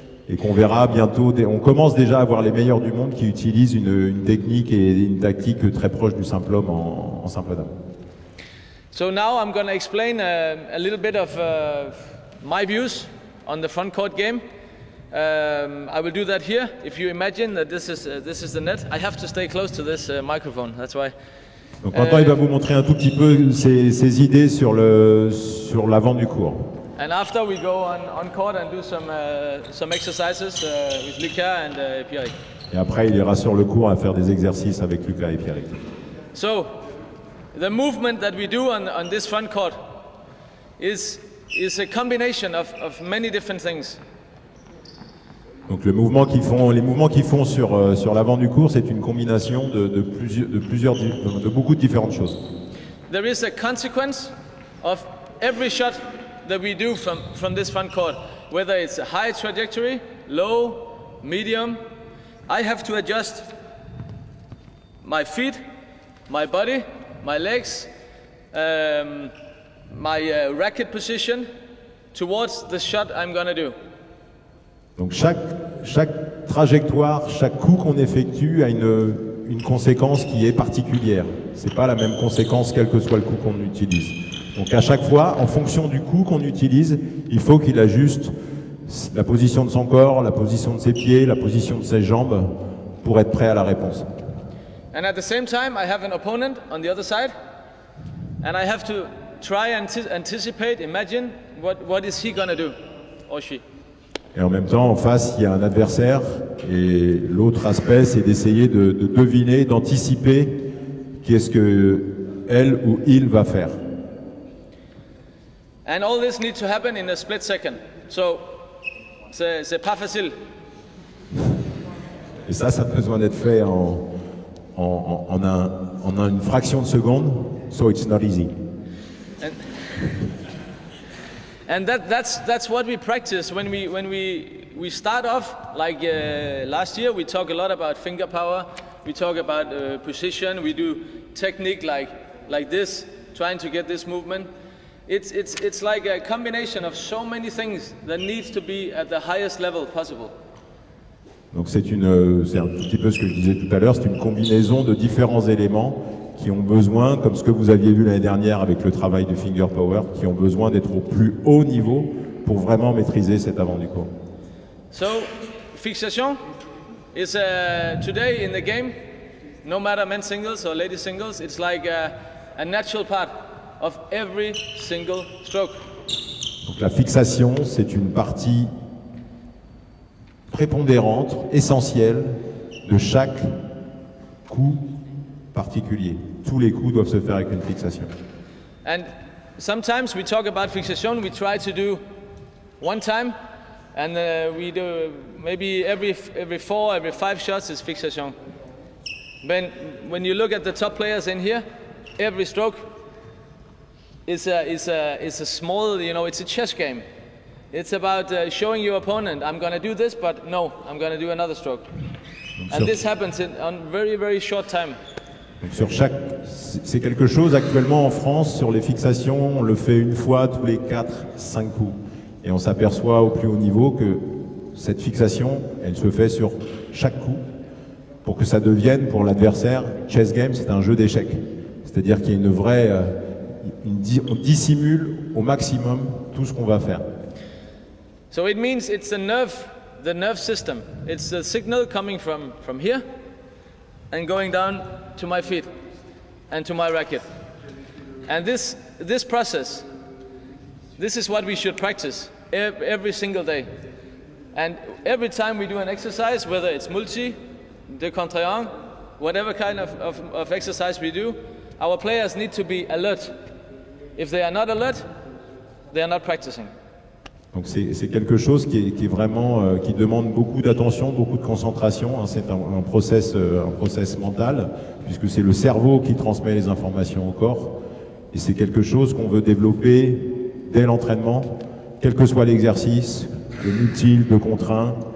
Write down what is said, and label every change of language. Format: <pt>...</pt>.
<fr>Et qu'on verra bientôt, on commence déjà à voir les meilleurs du monde qui utilisent une technique et une tactique très proche du simple homme en simple dame.</fr> <en>So now I'm going to explain a little bit of my views on the front court game. I will do that here. If you imagine that this is the net, I have to stay close to this microphone. That's why.</en> <fr>Donc maintenant, il va vous montrer un tout petit peu ses idées sur l'avant du court.</fr> <en>And after we go on court and do some exercises with Lucas and Pierrick.</en> <fr>Et après, il ira sur le court à faire des exercices avec Lucas et Pierrick.</fr> <en>So. The movement that we do on this front court is a combination of many different things.</en> <fr>Donc le mouvement qu'ils font, les mouvements qu'ils font sur l'avant du court, c'est une combinaison de beaucoup de différentes choses.</fr> <en>There is a consequence of every shot that we do from this front court, whether it's a high trajectory, low, medium. I have to adjust my feet, my body, my legs, my racket position towards the shot I'm going to do.</en> <fr>Donc chaque trajectoire, chaque coup qu'on effectue a une conséquence qui est particulière. C'est pas la même conséquence quel que soit le coup qu'on utilise. Donc à chaque fois, en fonction du coup qu'on utilise, il faut qu'il ajuste la position de son corps, la position de ses pieds, la position de ses jambes pour être prêt à la réponse.</fr> <en>And at the same time, I have an opponent on the other side and I have to try and anticipate, imagine what is he going to do or she.</en> <fr>Et en même temps, en face, il y a un adversaire et l'autre aspect, c'est d'essayer de deviner, d'anticiper qu'est-ce que elle ou il va faire.</fr> <en>And all this needs to happen in a split second.</en> <fr>So, c'est pas facile. Et ça a besoin d'être fait en une fraction de seconde.</fr> <en>So it's not easy. And that's what we practice when we start off. Like last year, we talk a lot about finger power. We talk about position. We do technique like this, trying to get this movement. It's like a combination of so many things that needs to be at the highest level possible.</en> <fr>Donc c'est un petit peu ce que je disais tout à l'heure. C'est une combinaison de différents éléments qui ont besoin, comme ce que vous aviez vu l'année dernière avec le travail de finger power, qui ont besoin d'être au plus haut niveau pour vraiment maîtriser cet avant du court.</fr> <en>So fixation is today in the game, no matter men singles or ladies singles, it's like a natural part of every single stroke.</en> <fr>Donc la fixation, c'est une partie prépondérante, essentielle de chaque coup particulier. Tous les coups doivent se faire avec une fixation.</fr> <en>And sometimes we talk about fixation, we try to do one time and we do maybe every four, every five shots is fixation. But when you look at the top players in here, every stroke It's a small, you know, it's a chess game. It's about showing your opponent, I'm going to do this, but no, I'm going to do another stroke. And this happens in very, very short time.</en> <fr>Donc sur chaque, c'est quelque chose actuellement en France, sur les fixations, on le fait une fois tous les 4-5 coups. Et on s'aperçoit au plus haut niveau que cette fixation, elle se fait sur chaque coup pour que ça devienne, pour l'adversaire,</fr> <en>chess game,</en> <fr>c'est un jeu d'échecs. C'est-à-dire qu'il y a une vraie... on dissimule au maximum tout ce qu'on va faire.</fr> <en>So it means it's the nerve system. It's the signal coming from here and going down to my feet and to my racket. And this process, this is what we should practice every single day. And every time we do an exercise, whether it's multi, de contre-angle, whatever kind of exercise we do, our players need to be alert. If they are not alert, they are not practicing.</en> <fr>Donc c'est quelque chose qui est vraiment qui demande beaucoup d'attention, beaucoup de concentration. Hein. C'est un process mental, puisque c'est le cerveau qui transmet les informations au corps. Et c'est quelque chose qu'on veut développer dès l'entraînement, quel que soit l'exercice, le multi, le contre un.</fr>